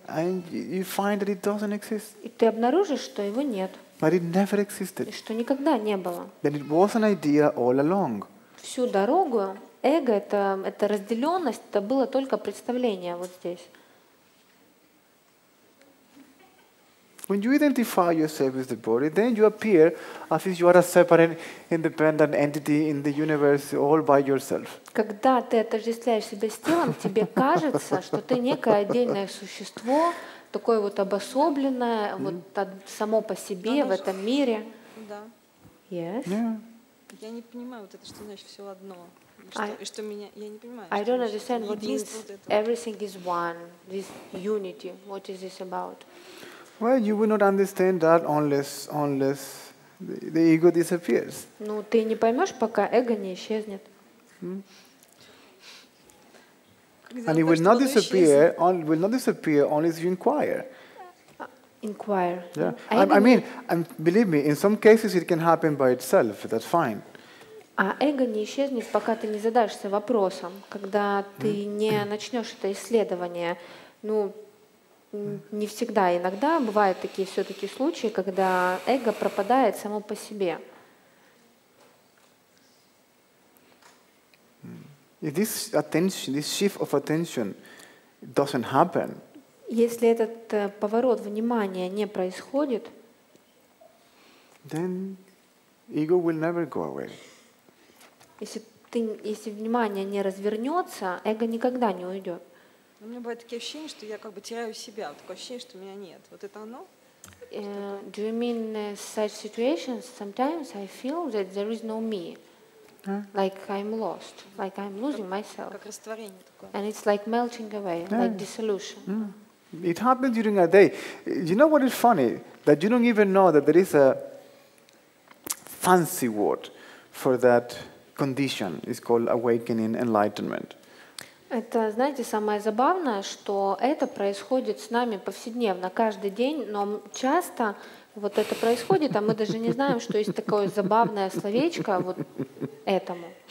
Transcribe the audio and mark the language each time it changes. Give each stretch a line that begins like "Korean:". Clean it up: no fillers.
English: And you find that it doesn't exist.
Russian: И ты обнаружишь, что его нет.
English: But it never existed.
Russian: И что никогда не было.
English: Then it was an idea all along.
Russian: Всю дорогу эго — это разделенность, это было только представление вот здесь.
English: When you identify yourself with the body, then you appear as if you are a separate, independent entity in the universe all by yourself.
Russian: Когда ты отождествляешь себя с телом, тебе кажется, что ты некое отдельное существо, такое вот обособленное, вот само по себе в этом мире. Да.
English: Yes.
Russian: Я не понимаю вот это, что значит все одно. Что меня, я не понимаю.
English: I don't understand what means everything is one, this unity. What is this about? Well, you will not understand that unless the ego disappears.
Russian: Ну, ты не поймешь, пока эго не исчезнет.
English: And it will not disappear unless you inquire. Inquire. Yeah. I mean, believe me, in some cases it can happen by itself. That's fine.
Russian: А эго не исчезнет, пока ты не задашься вопросом, когда ты не начнешь это исследование. Ну, не всегда, иногда бывают такие все-таки случаи, когда эго пропадает само по себе.
English: This attention, this shift of attention doesn't happen.
Russian: Если этот поворот внимания не происходит,
English: then ego will never go away.
Russian: Если внимание не развернется, эго никогда не уйдет. У меня бывают такие ощущения, что я как бы теряю себя, такое ощущение, что меня нет. Вот это оно?
English: Do you mean such situations? Sometimes I feel that there is no me. Huh? Like I'm lost, like I'm losing myself.
Russian: Как растворение такое.
English: And it's like melting away, yeah. Like dissolution. Yeah. It happens during a day. You know what is funny? That you don't even know that there is a fancy word for that condition. It's called awakening enlightenment.
Russian: Это, знаете, самое забавное, что это происходит с нами повседневно, каждый день, но часто вот это происходит, а мы даже не знаем, что есть такое забавное словечко вот этому.